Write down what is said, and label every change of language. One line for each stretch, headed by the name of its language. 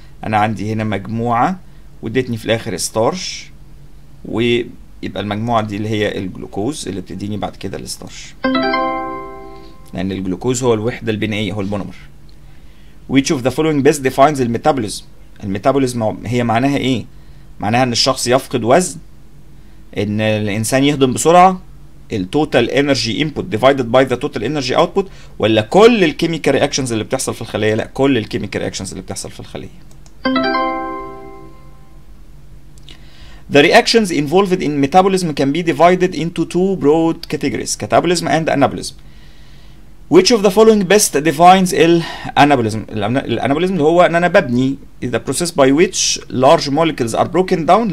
Arabic: انا عندي هنا مجموعة وديتني في الاخر starch ويبقى المجموعة دي اللي هي الجلوكوز اللي بتديني بعد كده الستارش لان الجلوكوز هو الوحدة البنائية هو المونومر.
English: Which of the following best defines the metabolism.
Arabic: المتابوليزم هي معناها ايه؟ معناها ان الشخص يفقد وزن ان الانسان يهضم بسرعه
English: التوتال انرجي انبوت ديفايدد باي ذا توتال انرجي اوتبوت
Arabic: ولا كل الكيميكال رياكشنز اللي بتحصل في الخليه. لا كل الكيميكال رياكشنز اللي بتحصل في الخليه.
English: The reactions involved in metabolism can be divided into two broad categories catabolism and anabolism. Which of the following best defines anabolism.
Arabic: الانابوليزم اللي هو ان انا ببني
English: is the process by which large molecules are broken down.